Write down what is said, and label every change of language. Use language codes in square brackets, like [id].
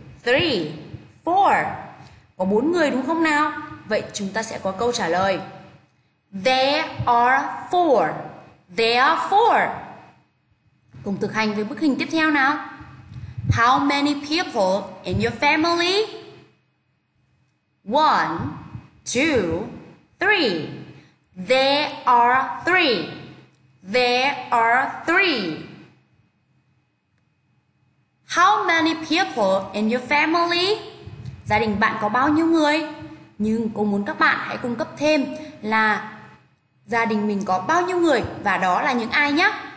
[vi] 1, 2, 3, 4. Có 4 người đúng không nào? Vậy chúng ta sẽ có câu trả lời. [en] There are four. There are four. [vi] Cùng thực hành với bức hình tiếp theo nào. [en] How many people in your family? 1, 2, 3. There are three. There are three. How many people in your family? [vi] Gia đình bạn có bao nhiêu người? Nhưng cô muốn các bạn hãy cung cấp thêm là gia đình mình có bao nhiêu người và đó là những ai nhé.